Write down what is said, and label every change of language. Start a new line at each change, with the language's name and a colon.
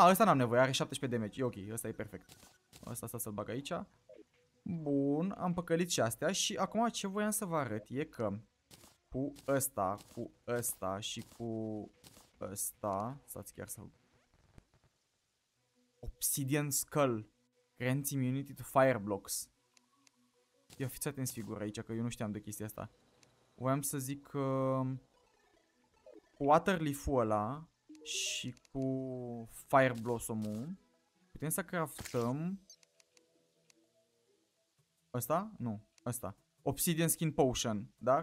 Romanian: ăsta n-am nevoie, are 17 damage. E ok, ăsta e perfect. Ăsta să-l bag aici. Bun, am păcălit și astea și acum ce voiam să vă arăt e că cu ăsta, cu ăsta și cu ăsta... Stați chiar să... Obsidian Skull.
English: Grant immunity to fire blocks.
Romanian: Ia fiți atenți figură aici, că eu nu știam de chestia asta. Voiam să zic că... Water Leaf-ul ăla și cu Fire Blossom-ul putem să craftăm... Ăsta? Nu, ăsta. Obsidian Skin Potion, da?